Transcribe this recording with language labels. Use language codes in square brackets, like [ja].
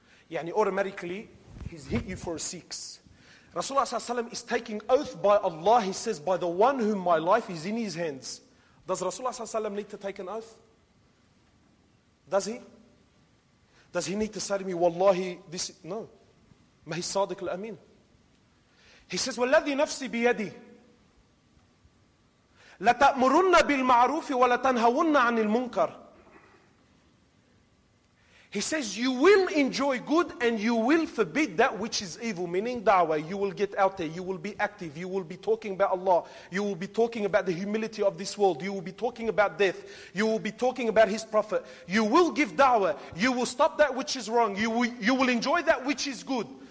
[en] Yani automatically, He's hit you for a six. Rasulullah ﷺ is taking oath by Allah. He says, by the one whom my life is in His hands. Does Rasulullah ﷺ need to take an oath? Does he? Does he need to say to me, Wallahi, this... No. May his sadiq al-ameen. He says, [ar] وَالَّذِي نَفْسِ بِيَدِي لَتَأْمُرُنَّ بِالْمَعْرُوفِ وَلَتَنْهَوُنَّ عَنِ الْمُنْكَرِ. [en] He says, you will enjoy good and you will forbid that which is evil. Meaning da'wah, you will get out there, you will be active, you will be talking about Allah, you will be talking about the humility of this world, you will be talking about death, you will be talking about His Prophet. You will give da'wah, you will stop that which is wrong, you will enjoy that which is good.